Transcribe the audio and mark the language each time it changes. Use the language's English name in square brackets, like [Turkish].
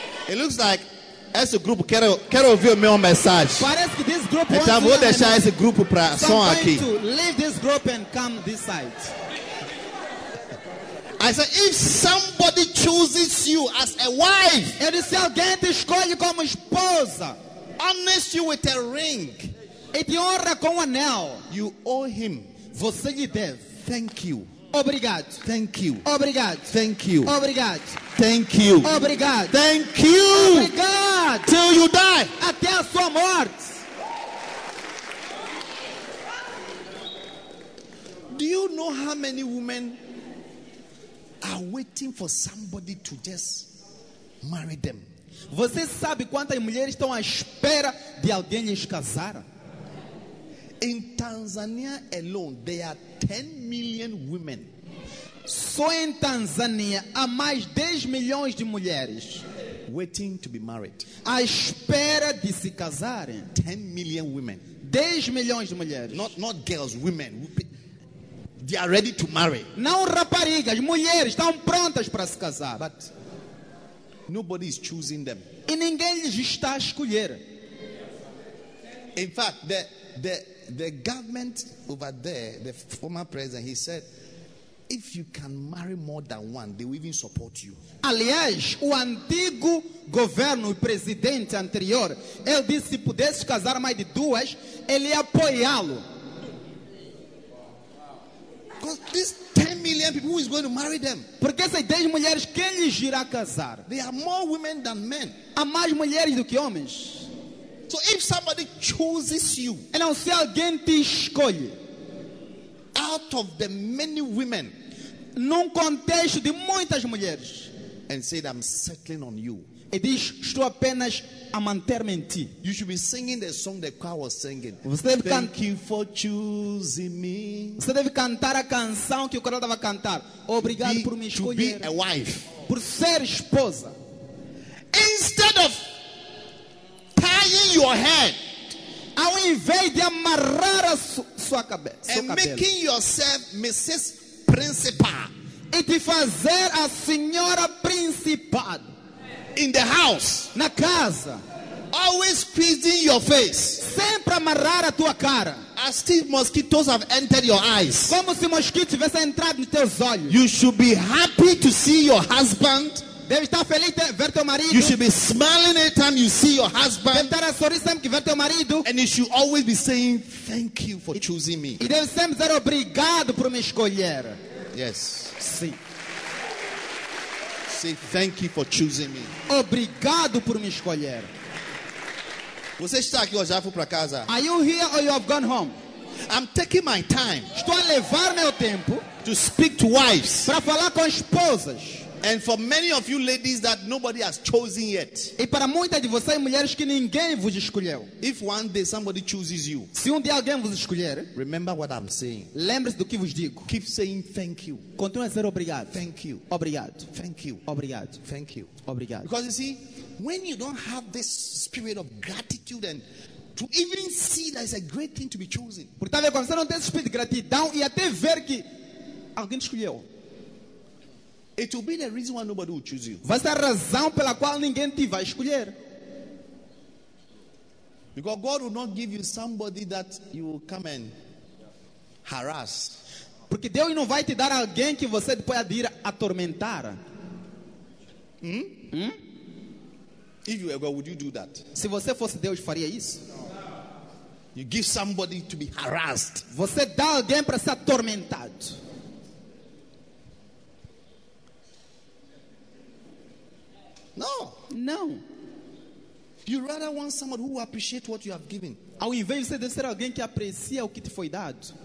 [English] It looks like [Portuguese] esse grupo quer ouvir o meu mensagem. Parece que [English] this group [Portuguese] então [English] wants [Portuguese] vou deixar esse grupo para som aqui. [English] To leave this group and come this side. I said, if somebody chooses you as a wife, [Portuguese] ele disse, alguém te escolhe como esposa, [English] honest you with a ring, [Portuguese] e te honra com um anel, [English] you owe him, [Portuguese] você lhe deve, [English] thank you, [Portuguese] obrigado, [English] thank you, [Portuguese] obrigado, [English] thank you, [Portuguese] obrigado, [English] thank you, [Portuguese] obrigado, [English] thank you, [Portuguese] obrigado, [English] till you die, [Portuguese] até a sua morte. [English] Do you know how many women are waiting for somebody to just marry them? [Portuguese] Você sabe quantas mulheres estão à espera de alguém lhes casar? [English] In Tanzania alone, there are 10 million women. [Portuguese] Só em Tanzânia há mais 10 milhões de mulheres [English] waiting to be married. [Portuguese] À espera de se casarem. [English] 10 million women. [Portuguese] 10 milhões de mulheres. [English] Not girls, women. They are ready to marry. [Portuguese] Não raparigas, mulheres estão prontas para se casar. [English] But nobody is choosing them. [Portuguese] E ninguém lhes está a escolher. [English] In fact, the government over there, the former president, he said, if you can marry more than one, they will even support you. [Portuguese] Aliás, o antigo governo e presidente anterior, ele disse que se pudesse casar mais de duas, ele ia apoiá-lo. [English] Because these 10 million people, who is going to marry them? [Portuguese] Porque essas 10 mulheres, quem lhes irá casar? [English] There are more women than men. [Portuguese] Há mais mulheres do que homens. [English] So if somebody chooses you, [Portuguese] então se alguém te escolhe, [English] out of the many women, [Portuguese] num contexto de muitas mulheres, [English] and said, I'm settling on you, [Portuguese] e diz, estou apenas a manter-me em ti, [English] you should be singing the song the choir was singing. [Portuguese] Você deve [English] thank you for choosing me. [Portuguese] Você deve cantar a canção que o coral estava a cantar. Obrigado por me escolher. [English] To be a wife. [Portuguese] Por ser esposa. [English] Instead of tying your head, [Portuguese] ao invés de amarrar a sua cabeça, [English] and making yourself Mrs. Principal, [Portuguese] e te fazer a senhora principal [English] in the house, [Portuguese] na casa, [English] always squeezing your face, [Portuguese] sempre amarrar a tua cara, [English] as if mosquitoes have entered your eyes, [Portuguese] como se mosquito tivesse entrado nos teus olhos, [English] you should be happy to see your husband, [Portuguese] deve estar feliz de ver teu marido, [English] you should be smiling every time you see your husband, [Portuguese] deve estar a sorrir sempre que ver teu marido, [English] and you should always be saying thank you for choosing me, [Portuguese] e deve sempre dizer obrigado por me escolher. [English] Yes. [Portuguese] Sim. [English] Say thank you for choosing me. [Portuguese] Obrigado por me escolher. Você está aqui ou já foi para casa? [English] Are you here or you have gone home? I'm taking my time. [Portuguese] Estou a levar meu tempo [English] to speak to wives. [Portuguese] Para falar com esposas. [English] And for many of you ladies that nobody has chosen yet. [Portuguese] E para muitas de vocês mulheres que ninguém vos escolheu. [English] If one day somebody chooses you. [Portuguese] Se um dia alguém vos escolher. [English] Remember what I'm saying. [Portuguese] Lembre-se do que vos digo. [English] Keep saying thank you. [Portuguese] Continue a dizer obrigado. [English] Thank you. [Portuguese] Obrigado. [English] Thank you. [Portuguese] Obrigado. [English] Thank you. [Portuguese] Obrigado. [English] Because you see, when you don't have this spirit of gratitude and to even see that it's a great thing to be chosen. [Portuguese] Porque talvez quando você não tem esse espírito de gratidão e até ver que alguém te escolheu. [English] It will be the reason why nobody will choose you. [Portuguese] Vai ser a razão pela qual ninguém te vai escolher. [English] Because God will not give you somebody that you will come and harass. [Portuguese] Porque Deus não vai te dar alguém que você pode ir atormentar. [English] If you were God, would you do that? [Portuguese] Se você fosse Deus, faria isso? [English] No. You give somebody to be harassed. [Portuguese] Você dá alguém para ser atormentado. [English] No. No. You rather want someone who will appreciate what you have given. [Portuguese] Ao invés de você deve ser alguém que aprecia o que te foi dado.